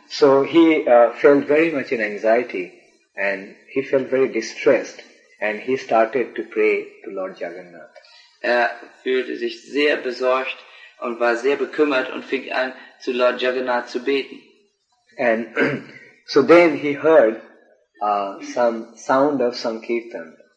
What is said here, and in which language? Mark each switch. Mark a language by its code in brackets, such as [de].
[en] So he felt very much in anxiety, and he felt very distressed, and he started to pray to Lord Jagannath. [de] Er fühlte sich sehr besorgt und war sehr bekümmert und fing an, zu Lord Jagannath zu beten. [en] And so then he heard some sound of Sankirtan.